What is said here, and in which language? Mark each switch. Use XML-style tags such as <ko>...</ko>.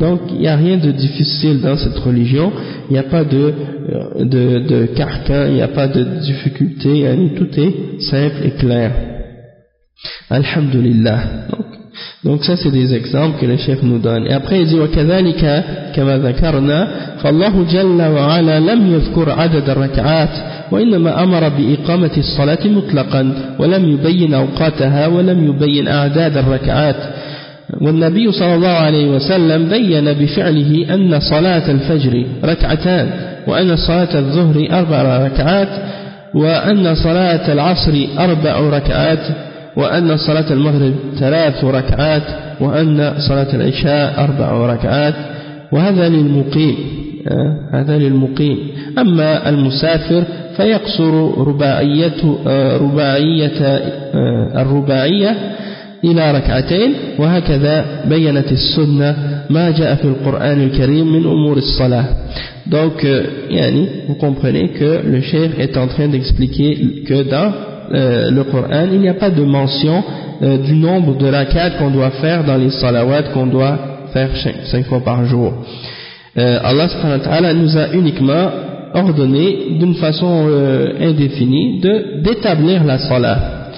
<fr>Donc il n'y a rien de difficile dans cette religion, il n'y a pas de carcan, il n'y a pas de difficulté, yani, tout est simple et clair, alhamdulillah. Donc ça c'est des exemples que le chef nous donne. Et après il dit</fr> <ar>وَكَذَلِكَ كَمَا ذَكَرْنَا فَاللَّهُ جَلَّ وَعَلَى لَمْ يَذْكُرْ عَدَدَ الرَّكْعَاتِ وَإِنَّمَا أَمَرَ بِإِقَامَةِ الصَّلَاةِ مُطْلَقًا وَلَمْ يُبَيِّنْ أَوْقَاتَهَا وَلَمْ يُبَيِّنْ أَعْدَادَ الرَّكْعَاتِ والنبي صلى الله عليه وسلم بين بفعله أن صلاة الفجر ركعتان وأن صلاة الظهر أربع ركعات وأن صلاة العصر أربع ركعات وأن صلاة المغرب ثلاث ركعات وأن صلاة العشاء أربع ركعات وهذا للمقيم أما المسافر فيقصر الرباعية إلى ركعتين وهكذا بينت السنة ما جاء في القرآن الكريم من أمور الصلاة.</ar> <fr>Donc</fr> <ar>يعني</ar> <fr>vous comprenez que le cheikh est en train d'expliquer que dans le Coran il n'y a pas de mention du nombre de rak'at qu'on doit faire dans les salawat qu'on doit faire 5 fois par jour. Allah subhanahu wa ta'ala nous a uniquement ordonné d'une façon indéfinie d'établir la salat.</fr>